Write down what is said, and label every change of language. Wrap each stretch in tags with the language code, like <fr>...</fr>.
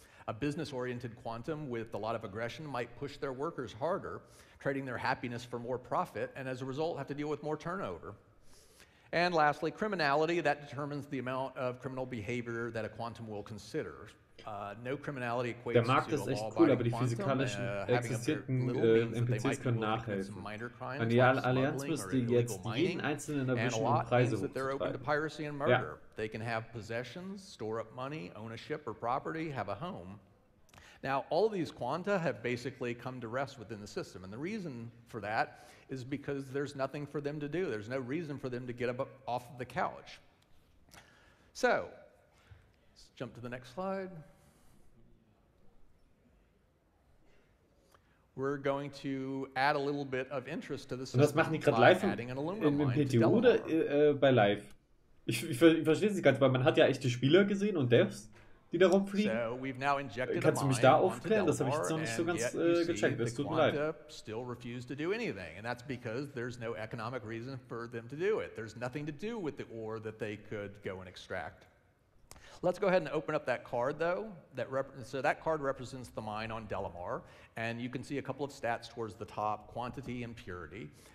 <en>A business-oriented quantum with a lot of aggression might push their workers harder, trading their happiness for more profit, and as a result have to deal with more turnover. And lastly, criminality, that determines the amount of criminal behavior that a quantum will consider. No criminality equates</en> <de>der Markt</de> <en>to</en> <de>ist echt cool, aber die physikalischen existierten NPCs können nachhelfen. Und die Allianz müsste jetzt jeden einzelnen erwischen und Preise hochtreiben. Ja.</de> <en>They can have possessions, store up money, own a ship or property, have a home. Now, all of these quanta have basically come to rest within the system, and the reason for that is because there's nothing for them to do. There's no reason for them to get up off of the couch. So, let's jump to the next slide. We're going to add a little bit of interest to the system.</en> <de>Und das machen die gerade live in PTU oder bei live? Ich verstehe sie ganz, weil man hat ja echte Spieler gesehen und Devs. Die da rumfliegen? So, kannst du mich da aufklären? Das habe ich noch nicht so ganz gecheckt. Das tut mir leid.</de> <en>Still refuse to do anything, and that's because there's no economic reason for them to do it. There's nothing to do with the ore that they could go and extract. Let's go ahead and open up that card, though. That card represents the mine on Delamar, and you can see a couple of stats towards the top: quantity and purity.</en>